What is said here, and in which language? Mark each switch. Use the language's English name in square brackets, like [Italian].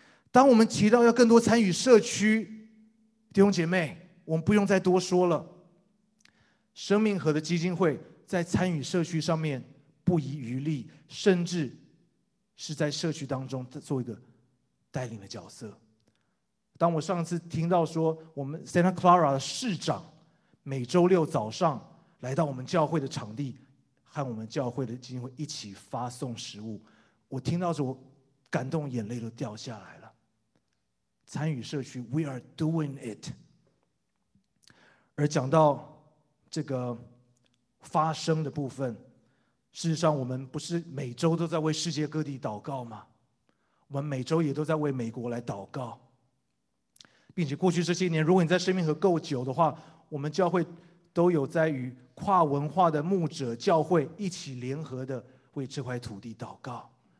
[Chinese] 当我们提到要更多参与社区，弟兄姐妹，我们不用再多说了，生命河的基金会在参与社区上面不遗余力，甚至是在社区当中做一个带领的角色。当我上次听到说我们 Santa Clara 的市长每周六早上来到我们教会的场地和我们教会的基金会一起发送食物，我听到时候感动眼泪都掉下来了。参与社区， [English] We are doing it。 [Chinese] 而讲到这个发声的部分，事实上我们不是每周都在为世界各地祷告吗？我们每周也都在为美国来祷告，并且过去这些年，如果你在生命河够久的话，我们教会都有在与跨文化的牧者教会一起联合的为这块土地祷告。